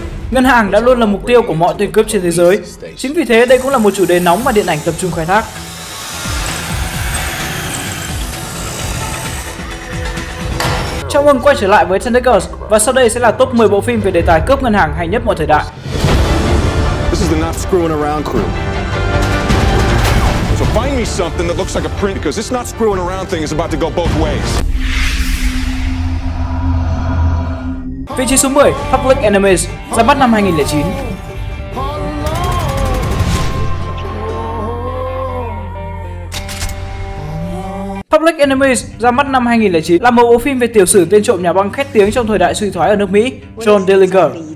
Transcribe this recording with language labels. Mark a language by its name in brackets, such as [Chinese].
[Vietnamese] ngân hàng đã luôn là mục tiêu của mọi tên cướp trên thế giới. Chính vì thế, đây cũng là một chủ đề nóng mà điện ảnh tập trung khai thác. Chào mừng quay trở lại với Tentacles, và sau đây sẽ là top 10 bộ phim về đề tài cướp ngân hàng hay nhất mọi thời đại. [English] This is the not screwing around crew. So find me something that looks like a print, because this not screwing around thing is about to go both ways. [Vietnamese] Vị trí số 10, Public Enemies, ra mắt năm 2009. Public Enemies ra mắt năm 2009 là một bộ phim về tiểu sử tên trộm nhà băng khét tiếng trong thời đại suy thoái ở nước Mỹ, John Dillinger.